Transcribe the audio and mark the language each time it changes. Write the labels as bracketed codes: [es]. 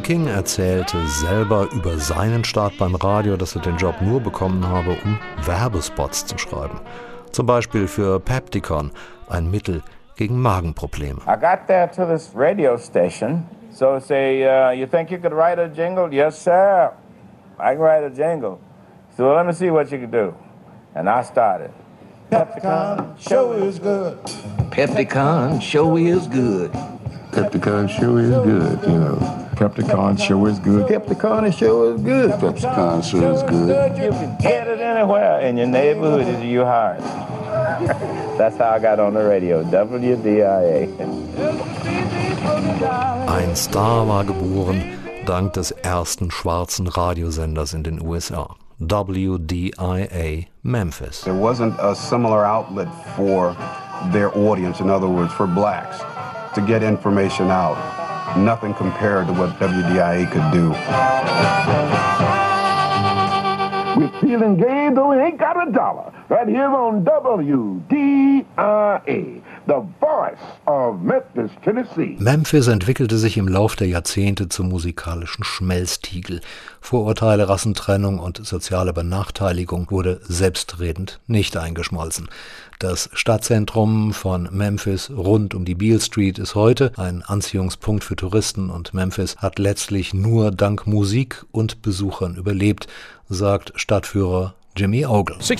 [de] King erzählte selber über seinen Start beim Radio, dass er den Job nur bekommen habe, um Werbespots zu schreiben. Zum Beispiel für Pepticon, ein Mittel gegen Magenprobleme. [en] I got there to this radio station. So say, you think you could write a jingle? Yes, sir. I can write a jingle. So let me see what you can do. And I started. Pepticon, show is good. Pepticon, show is good. Pepticon, show is good, you know. Pepticon show is good. Pepticon show is good. Pepticon show is good. You can get it anywhere in your neighborhood is your heart. That's how I got on the radio, WDIA. [de] Ein Star war geboren, dank des ersten schwarzen Radiosenders in den USA. WDIA Memphis. [en] There wasn't a similar outlet for their audience, in other words, for blacks, to get information out. Nothing compared to what WDIA could do. We're feeling gay, though we ain't got a dollar. Right here on WDIA, the voice of Memphis, Tennessee. [de] Memphis entwickelte sich im Lauf der Jahrzehnte zum musikalischen Schmelztiegel. Vorurteile, Rassentrennung und soziale Benachteiligung wurde selbstredend nicht eingeschmolzen. Das Stadtzentrum von Memphis rund um die Beale Street ist heute ein Anziehungspunkt für Touristen und Memphis hat letztlich nur dank Musik und Besuchern überlebt, sagt Stadtführer Jimmy Ogle.